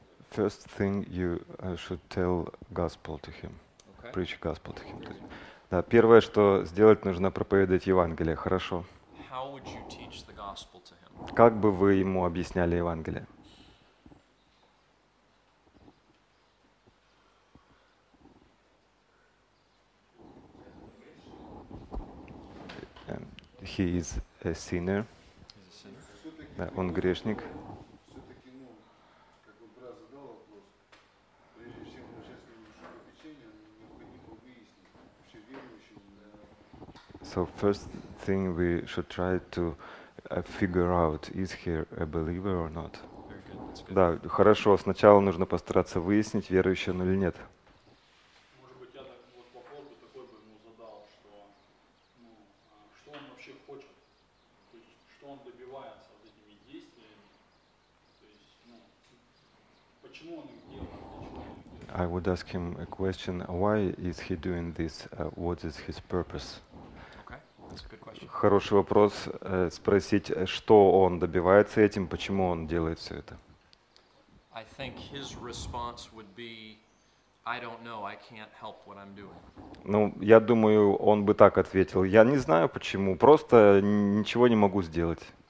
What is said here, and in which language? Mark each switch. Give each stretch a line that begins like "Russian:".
English: First thing you should tell gospel to him. Okay. Preach gospel to him.
Russian: Да, первое, что сделать, нужно проповедовать Евангелие. Хорошо.
English: How would you teach the gospel to him?
Russian: Как бы вы ему объясняли Евангелие?
English: He is a sinner.
Russian: Да, он грешник.
English: So first thing we should try to figure out, is he a believer or not?
Russian: Да, хорошо, сначала нужно постараться выяснить, верующий он или нет. Может быть, я так вот вопрос бы такой бы ему задал, что, ну, что он вообще хочет, то есть, что он добивается от этими действиями, то есть, ну, почему он их делает?
English: I would ask him a question, why is he doing this, what is his purpose?
Russian: Хороший вопрос спросить, что он добивается этим, почему он делает все это.
English: I think his response would be, I don't know, I can't help what I'm doing.
Russian: Ну, я думаю, он бы так ответил. Я не знаю почему, просто ничего не могу сделать.